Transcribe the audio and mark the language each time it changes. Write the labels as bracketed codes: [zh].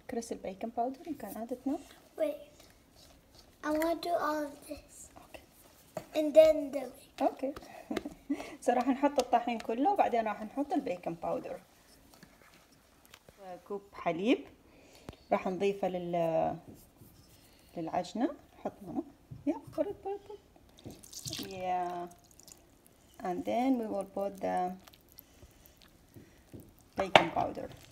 [ar] كريس البيكنج باودر [en] you can add it now. Wait, I want to do all of this. Okay. And then the bacon. Okay. [ar] So راح نحط الطحين كله وبعدين راح نحط البيكنج باودر. كوب حليب راح نضيفه للعجنة. حط ماما. [en] Yeah, put it, put it, put it. Yeah. And then we will put the baking powder.